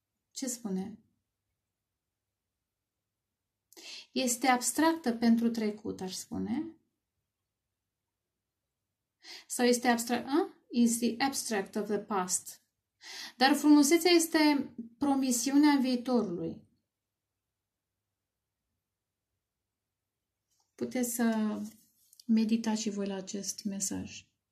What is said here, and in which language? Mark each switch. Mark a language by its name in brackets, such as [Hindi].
[Romanian] Ce spune? Este abstractă pentru trecut, aș spune. [English] Sau este abstract, is the abstract of the past. [Romanian] Dar frumusețea este promisiunea viitorului. Puteți să meditați și voi la acest mesaj.